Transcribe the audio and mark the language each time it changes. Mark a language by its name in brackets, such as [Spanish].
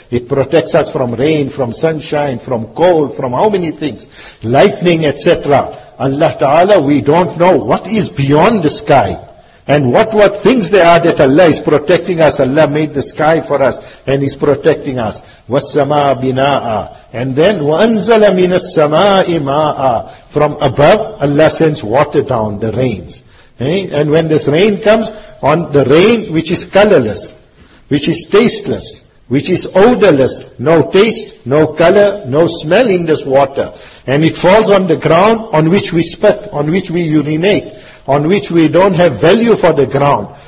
[English] It protects us from rain, from sunshine, from cold, from how many things? Lightning, etc. Allah Ta'ala, we don't know what is beyond the sky. And what things there are that Allah is protecting us. Allah made the sky for us and is protecting us. [Arabic] وَالسَّمَاءَ بِنَاءَ. [English] And then [Arabic] وَأَنزَلَ مِنَ السَّمَاءِ مَاءَ. [English] From above, Allah sends water down, the rains. And when this rain comes, on the rain which is colorless, which is tasteless, which is odorless, no taste, no color, no smell in this water. And it falls on the ground on which we spit, on which we urinate, on which we don't have value for the ground.